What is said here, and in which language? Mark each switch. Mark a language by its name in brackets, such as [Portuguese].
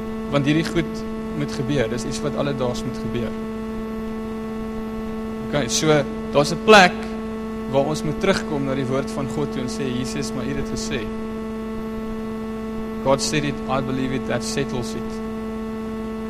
[Afrikaans] Want hierdie goed moet gebeur. Dis iets wat alledaags moet gebeur. OK. Okay, so daar's 'n plek waar ons moet terugkom na die woord van God toe en sê Jesus, maar U het dit gesê. [English] God said it, I believe it, that settles it.